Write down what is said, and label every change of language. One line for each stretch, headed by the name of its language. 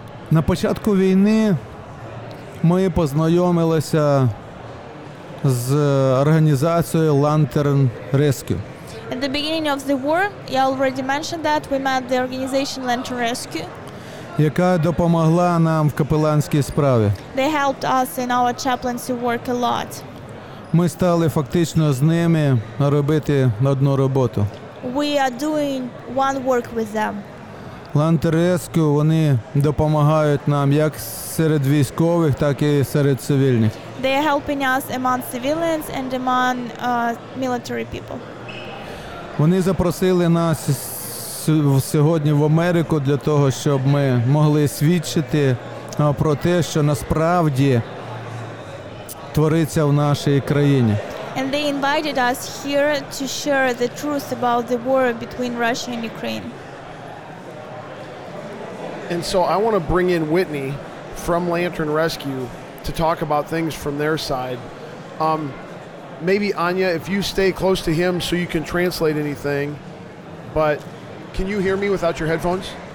Ukrainian: На початку війни ми познайомилися з організацією Lantern Rescue.
English: At the beginning of the war, I already mentioned that we met the organization Lantern Rescue.
Ukrainian: Яка допомогла нам в капеланській справі.
English: They helped us in our chaplaincy work a lot.
Ukrainian: Ми стали фактично з ними робити одну роботу.
English: We are doing one work with them.
Ukrainian: Lantern Rescue, вони допомагають нам як серед військових, так і серед цивільних.
English: They are helping us among civilians and among military people.
Ukrainian: Вони запросили нас сьогодні в Америку для того, щоб ми могли свідчити про те, що насправді твориться в нашій країні.
English: And they invited us here to share the truth about the war between Russia and Ukraine. And so I want to bring in Whitney from Lantern Rescue to talk about things from their side. Maybe Anya, if you stay close to him so you can translate anything, but can you hear me without your headphones?